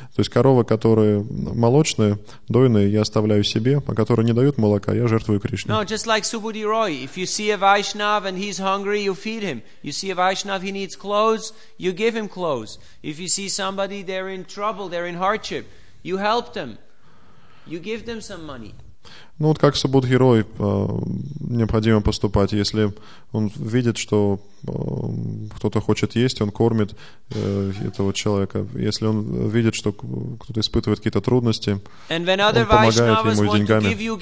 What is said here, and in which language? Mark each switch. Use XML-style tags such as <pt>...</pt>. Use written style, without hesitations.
<ru>То есть корова, которая молочная, дойная, я оставляю себе, а которая не дает молока, я жертвую Кришне.</ru> <en>No, just like Subhuti Roy. If you see a Vaishnav and he's hungry, you feed him. You see a Vaishnav, he needs clothes, you give him clothes. If you see somebody, they're in trouble, they're in hardship, you help them. You give them some money.</en> <ru>Ну вот как Субудхирой необходимо поступать, если он видит, что кто-то хочет есть, он кормит этого человека. Если он видит, что кто-то испытывает какие-то трудности, он помогает ему деньгами.</ru>